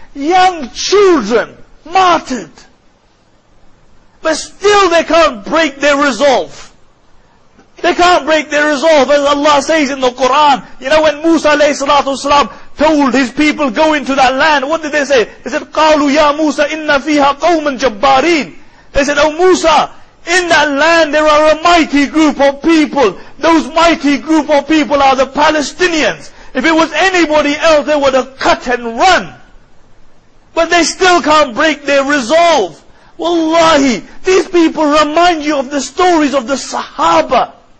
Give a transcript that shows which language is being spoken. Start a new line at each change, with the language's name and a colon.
English: Young children, martyred. But still they can't break their resolve. They can't break their resolve, as Allah says in the Quran. You know, when Musa alayhi salatu wasalam told his people, go into that land, what did they say? They said,
Arabic: قَالُوا يَا مُوسَى إِنَّ فِيهَا قَوْمًا جَبَّارِينَ.
English: They said, oh Musa, in that land there are a mighty group of people. Those mighty group of people are the Palestinians. If it was anybody else, they would have cut and run. But they still can't break their resolve. Wallahi, these people remind you of the stories of the Sahaba.